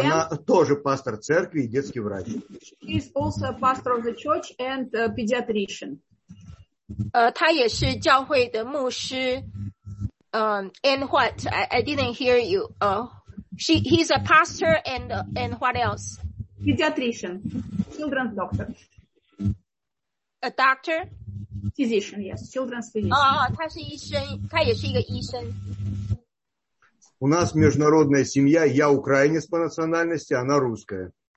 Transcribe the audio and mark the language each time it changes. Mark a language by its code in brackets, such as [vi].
[ru] Она тоже пастор церкви и детский врач. [en] She is also a pastor of the church and a pediatrician. [zh] 他也是教会的牧师。 [en] And what? I didn't hear you. He's a pastor and what else? Pediatrician, children's doctor. A doctor? Physician, yes, children's physician. [zh] 他是医生，他也是一个医生。 [ru] У нас международная семья, я украинец по национальности, она русская.